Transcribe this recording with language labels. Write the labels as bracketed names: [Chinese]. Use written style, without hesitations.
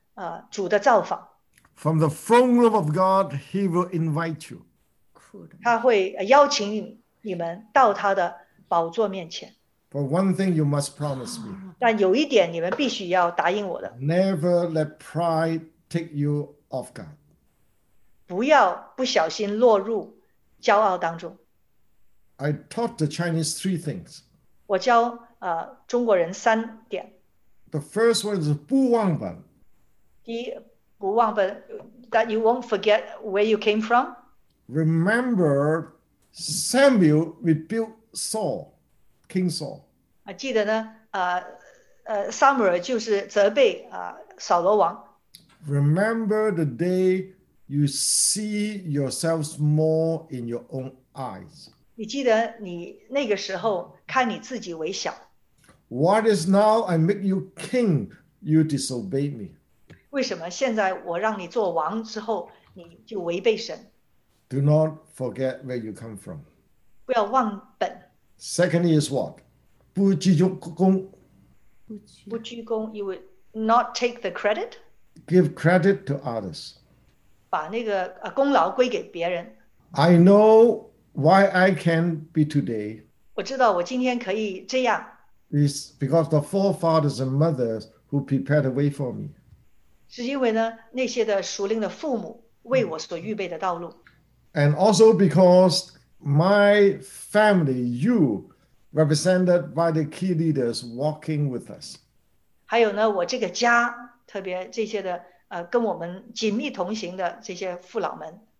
[English] From the throne room of God, He will invite you. [Chinese] 他会邀请你们到他的宝座面前. [English] But one thing you must promise me. [Chinese] 但有一点你们必须要答应我的. [English] Never let pride take you off God. [Chinese] 不要不小心落入骄傲当中. [English] I taught the Chinese three things. [Chinese] 我教, 中国人三点. [English] The first one is [Chinese] 不忘本. 第一,不忘本, [English] that you won't forget where you came from. Remember, Samuel rebuilt Saul, King Saul. [Chinese] 记得呢, Samuel就是责备, 扫罗王. [English] Remember the day you see yourselves more in your own eyes. [Chinese] 你记得你那个时候看你自己微小. [English] What is now I make you king, you disobey me. [Chinese] 为什么现在我让你做王之后你就违背神? [English] Do not forget where you come from. [Chinese] 不要忘本. [English] Secondly is what? [Chinese] 不居功. 不居功, [English] you would not take the credit? Give credit to others. [Chinese] 把那个功劳归给别人. [English] I know why I can be today. [Chinese] 我知道我今天可以这样. [English] It's because the forefathers and mothers who prepared the way for me. [Chinese] 是因为呢,那些的属灵的父母为我所预备的道路. [English] And also because my family, you, represented by the key leaders walking with us. [Chinese] 还有呢,我这个家,特别这些的跟我们紧密同行的这些父老们.